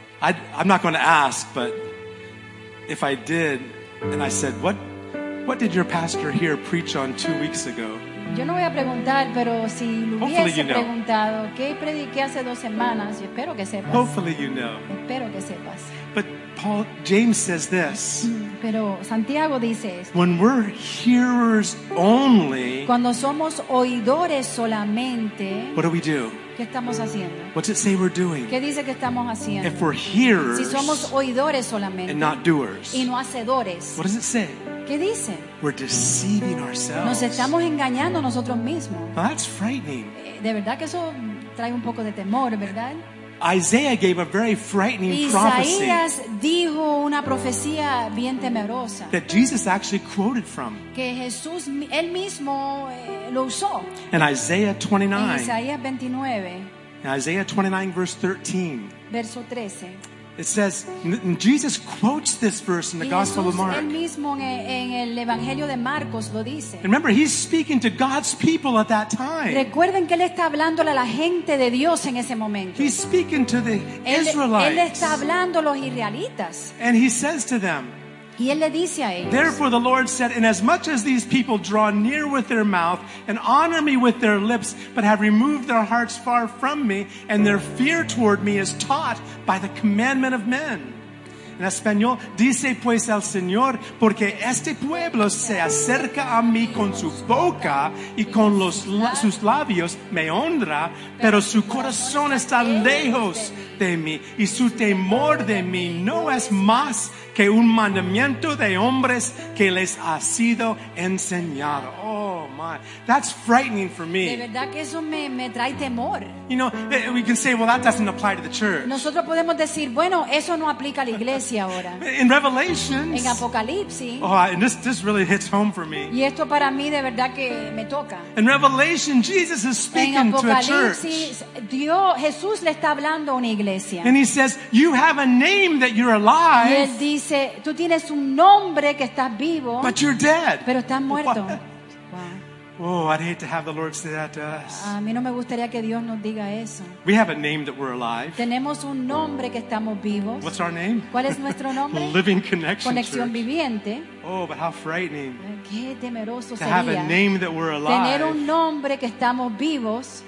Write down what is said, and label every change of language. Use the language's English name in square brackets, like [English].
[English] I'm not going to ask, but if I did, and I said, what did your pastor here preach on 2 weeks ago? [Spanish] Yo no voy a preguntar, pero si lo hubiese preguntado, ¿qué prediqué hace dos semanas? Yo espero que sepas. [English] Hopefully you know. [Spanish] Espero que sepas. [English] But Paul, James says this. [Spanish] Pero Santiago dice esto. [English] When we're hearers only, [Spanish] cuando somos oidores solamente, [English] what do we do? [Spanish] ¿Qué estamos haciendo? [English] What's it say we're doing? [Spanish] ¿Qué dice que estamos haciendo? [English] If we're hearers, [Spanish] si somos oidores solamente, [English] and not doers, [Spanish] y no hacedores, [English] what does it say? [Spanish] ¿Qué dice? [English] We're deceiving ourselves. [Spanish] Nos estamos engañando nosotros mismos. [English] Now that's frightening. [Spanish] De verdad que eso trae un poco de temor, ¿verdad? [English] Isaiah gave a very frightening prophecy. [Spanish] Isaías dijo una profecía bien temerosa. [English] That Jesus actually quoted from. [Spanish] Que Jesús él mismo lo usó. [English] In Isaiah 29. [Spanish] En Isaías 29. [English] In Isaiah 29 verse 13. [Spanish] Verso 13. [English] It says, and Jesus quotes this verse in the Gospel of Mark. [Spanish] Él mismo en el Evangelio de Marcos lo dice. [English] Remember, he's speaking to God's people at that time. [Spanish] Recuerden que él está hablando a la gente de Dios en ese momento. [English] He's speaking to the Israelites. [Spanish] Él está hablando a los israelitas. [English] And he says to them, [Spanish] y él le dice a ellos, [English] therefore the Lord said, inasmuch as these people draw near with their mouth and honor me with their lips, but have removed their hearts far from me, and their fear toward me is taught by the commandment of men. [Spanish] En español, dice pues el Señor, porque este pueblo se acerca a mí con su boca y con sus labios me honra, pero su corazón está lejos de mí y su temor de mí no es más que un mandamiento de hombres que les ha sido enseñado. [English] Oh my, that's frightening for me. [Spanish] De verdad que eso me trae temor. [English] You know, we can say, well, that doesn't apply to the church. [Spanish] Nosotros podemos decir, bueno, eso no aplica a la iglesia ahora. [English] In Revelations. [Spanish] En Apocalipsis. [English] Oh, and this really hits home for me. [Spanish] Y esto para mí de verdad que me toca. [English] In Revelation, Jesus is speaking to a church. [Spanish] En Apocalipsis, Dios, Jesús le está hablando a una iglesia. [English] And he says, you have a name that you're alive. [Spanish] Y él dice, tú tienes un nombre que estás vivo. [English] But you're dead. [Spanish] Pero estás muerto. [English] Oh, I'd hate to have the Lord say that to us. [Spanish] A mí no me gustaría que Dios nos diga eso. [English] We have a name that we're alive. [Spanish] Tenemos un nombre que estamos vivos. [English] What's our name? [Spanish] ¿Cuál es nuestro nombre? [English] Living Connection [Spanish] Conexión [English] Church. [Spanish] Viviente. [English] Oh, but how frightening. [Spanish] Qué temeroso [English] to [Spanish] sería. [English] Have a name that we're alive. [Spanish] Tener un nombre que estamos vivos.